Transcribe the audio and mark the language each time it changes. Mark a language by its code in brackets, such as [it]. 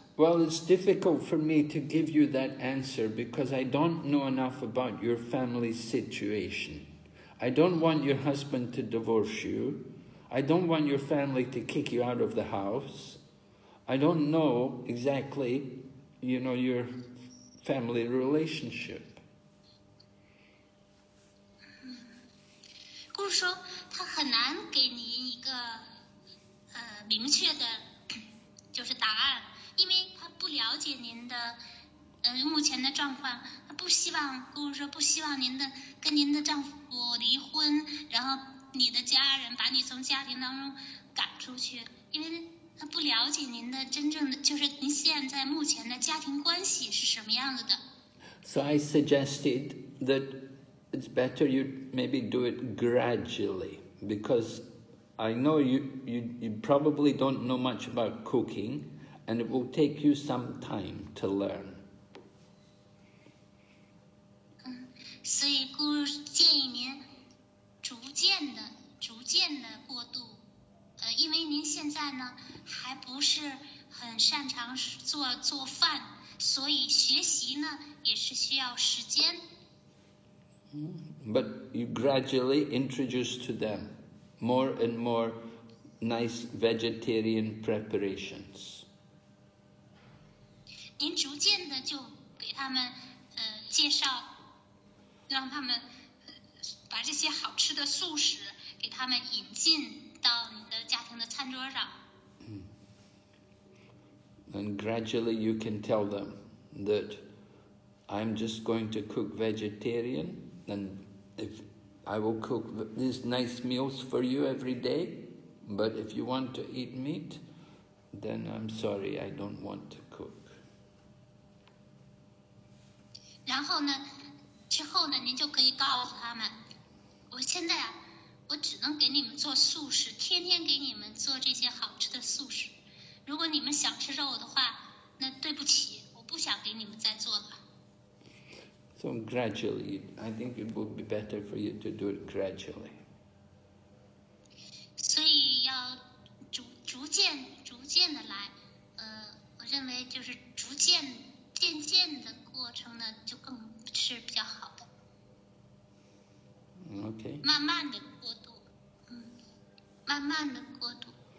[en] Well, it's difficult for me to give you that answer because I don't know enough about your family situation. I don't want your husband to divorce you. I don't want your family to kick you out of the house. I don't know exactly, you know, your family relationship. [zh] Guru 说他很难给你一个明确的就是答案，因为他不了解您的目前的状况。他不希望，Guru 说不希望您的跟您的丈夫离婚，然后你的家人把你从家庭当中赶出去，因为他不了解您的真正的，就是您现在目前的家庭关系是什么样子的。 [en] So I suggested that it's better you maybe do it gradually, because I know you probably don't know much about cooking, and it will take you some time to learn. [zh] 所以姑建议您逐渐的过渡，因为您现在呢还不是很擅长做饭，所以学习呢也是需要时间。 [en] But you gradually introduce to them more and more nice vegetarian preparations. [zh] 您逐渐的就给他们介绍，让他们把这些好吃的素食给他们引进到你的家庭的餐桌上。 [en] And gradually you can tell them that I'm just going to cook vegetarian and if I will cook these nice meals for you every day, but if you want to eat meat, then I'm sorry, I don't want to cook. [zh] 然后呢，之后呢，您就可以告诉他们，我现在啊，我只能给你们做素食，天天给你们做这些好吃的素食。如果你们想吃肉的话，那对不起，我不想给你们再做了。 [en] So gradually, I think it would be better for you to do it gradually. [zh] 所以要逐渐的来，我认为就是逐渐渐渐的过程呢，就更是比较好的。 [en] Okay. [zh] 慢慢的过渡，慢慢的过渡。